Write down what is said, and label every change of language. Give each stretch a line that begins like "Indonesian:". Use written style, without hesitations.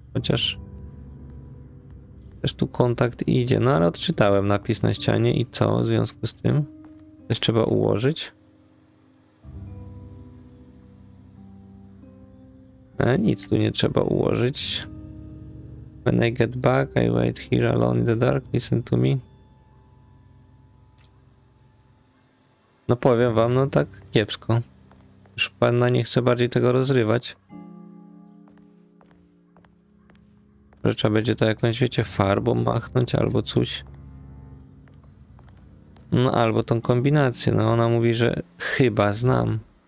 Polish: Chociaż też tu kontakt idzie, no ale odczytałem napis na ścianie i co w związku z tym? Też trzeba ułożyć. A nic tu nie trzeba ułożyć.
English: When I get back, I wait here alone in the dark, listen to me.
Polish: No powiem wam, no tak kiepsko. Już panna nie chce bardziej tego rozrywać. Że trzeba będzie to jakąś, wiecie, farbą machnąć albo coś. No albo tą kombinację, no ona mówi, że chyba znam.